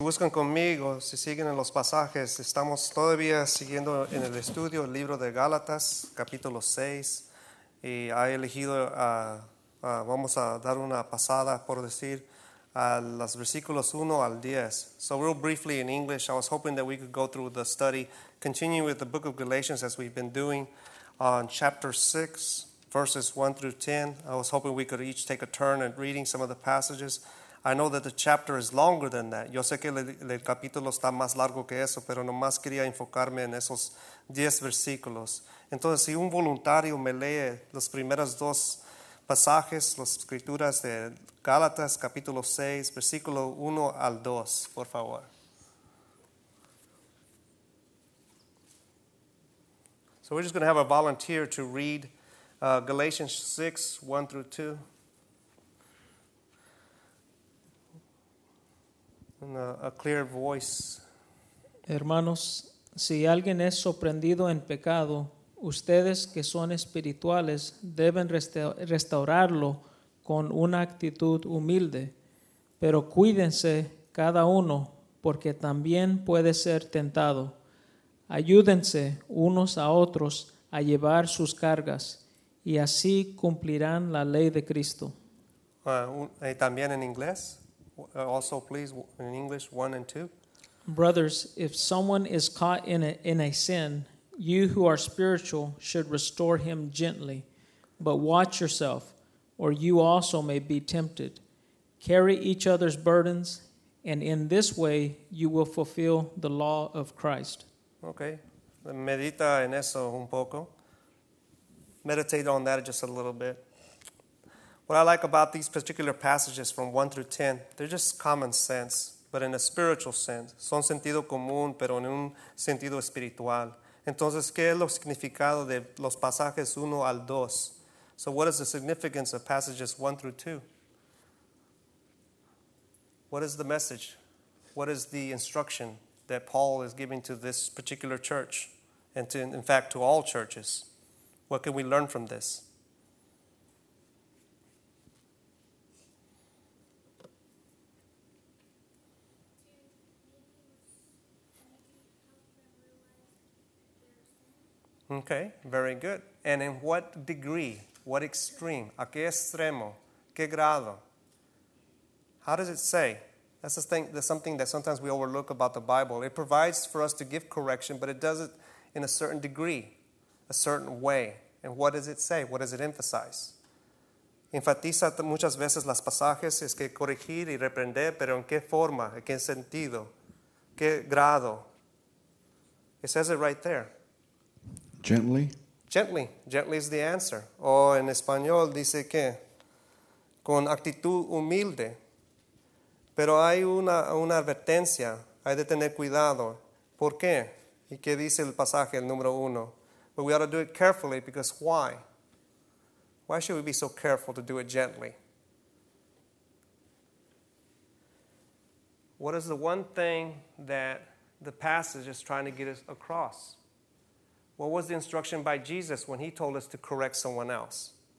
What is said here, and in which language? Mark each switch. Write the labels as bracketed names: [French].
[Spanish] buscan conmigo, si siguen en los pasajes, estamos todavía siguiendo en el estudio el libro de Gálatas, capítulo 6. Y ha elegido, vamos a dar una pasada, por decir, a los versículos 1 al 10. [English] So real briefly in English, I was hoping that we could go through the study, continuing with the book of Galatians as we've been doing on chapter 6, verses 1 through 10. I was hoping we could each take a turn at reading some of the passages. I know that the chapter is longer than that. [Spanish] Yo sé que el capítulo está más largo que eso, pero nomás quería enfocarme en esos 10 versículos. Entonces, si un voluntario me lee los primeros dos pasajes, las escrituras de Gálatas, capítulo 6, versículo 1 al 2, por favor. [English] So we're just going to have a volunteer to read Galatians 6, 1 through 2. A clear voice. [Spanish] Hermanos, si alguien es sorprendido en pecado, ustedes que son espirituales deben restaurarlo con una actitud humilde. Pero cuídense cada uno, porque también puede ser tentado. Ayúdense unos a otros a llevar sus cargas, y así cumplirán la ley de Cristo. También en inglés. [English] Also, please, in English, 1 and 2. Brothers, if someone is caught in a sin, you who are spiritual should restore him gently. But watch yourself, or you also may be tempted. Carry each other's burdens, and in this way you will fulfill the law of Christ. [Spanish] Okay. Medita en eso un poco. [English] Meditate on that just a little bit. What I like about these particular passages from 1 through 10, they're just common sense, but in a spiritual sense. [Spanish] Son sentido común, pero en un sentido espiritual. Entonces, ¿qué es lo significado de los pasajes 1 al 2? [English] So what is the significance of passages 1 through 2? What is the message? What is the instruction that Paul is giving to this particular church? And to, in fact, to all churches. What can we learn from this? Okay, very good. And in what degree, what extreme, a qué extremo, qué grado? How does it say? That's the thing, that's something that sometimes we overlook about the Bible. It provides for us to give correction, but it does it in a certain degree, a certain way. And what does it say? What does it emphasize? [Spanish] Enfatiza muchas veces las pasajes, es que corregir y reprender, pero en qué forma, en qué sentido, qué grado. [English] It says it right there. Gently. Gently. Gently is the answer. [Spanish] Or en español dice que con actitud humilde. Pero hay una advertencia. Hay de tener cuidado. ¿Por qué? ¿Y qué dice el pasaje, el número uno? [English] But we ought to do it carefully because why? Why should we be so careful to do it gently? What is the one thing that the passage is trying to get us across? What was the instruction by Jesus when he told us to correct someone else?